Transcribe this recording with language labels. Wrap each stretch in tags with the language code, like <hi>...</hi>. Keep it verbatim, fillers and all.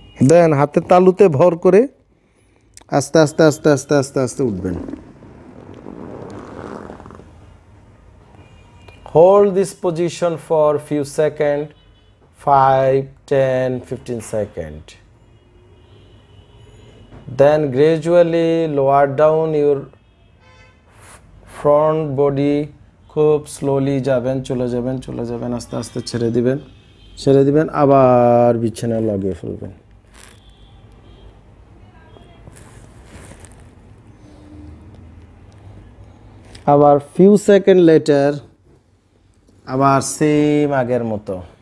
<bn>দেন হাতের তালুতে ভর করে আস্তে আস্তে আস্তে আস্তে আস্তে আস্তে উঠবেন।</bn> <en>Hold this position for few second, five, ten, fifteen second. Then gradually lower down your front body.</en> <bn>খুব স্লোলি যাবেন, চলে যাবেন চলে যাবেন আস্তে আস্তে ছেড়ে দিবেন ছেড়ে দিবেন আবার বিছানা লাগিয়ে ফেলবেন। আবার ফিউ সেকেন্ড লেটার আবার সেম আগের মতো।</bn>